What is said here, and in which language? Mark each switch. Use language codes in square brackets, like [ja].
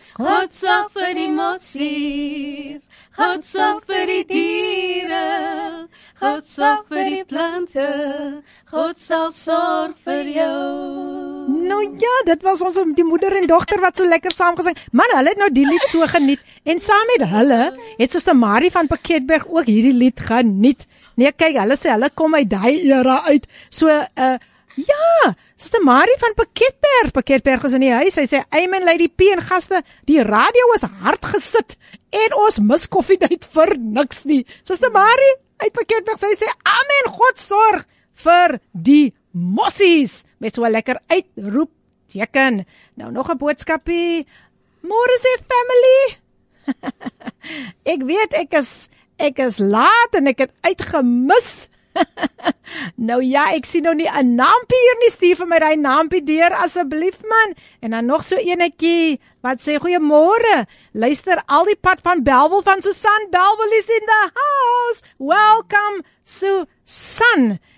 [af] God sorg vir die mossies. God sorg vir die diere. God sorg vir die plante. God sal sorg vir jou. Nou ja, dit was ons die moeder en dogter wat so lekker saam gesing. Man, hulle het nou die lied so geniet. En saam met hulle het Sister Marie van Paketberg ook hierdie lied geniet. Nee, kyk, hulle sê hulle kom uit die era uit. So, ja, Sister Marie van Paketberg. Paketberg is in die huis. Hy sê, Amen, Lady P en gaste, die radio is hard gesit. En ons mis koffiedate vir niks nie. Sister Marie uit Paketberg, sy sê, Amen, God sorg vir die mossies. Met so'n lekker uitroep teken. Nou nog 'n boodskapie. Môre sê family. Ek weet ek is laat en ek het uitgemis. Nou ja, ek sien nou nie 'n naampie hier nie. Stuur vir my daai naampie deur asseblief, man. En dan nog so enetjie wat sê goeiemôre. Luister al die pad van Belwel van Susan. [en] Belwel is in the house. Welcome Susan.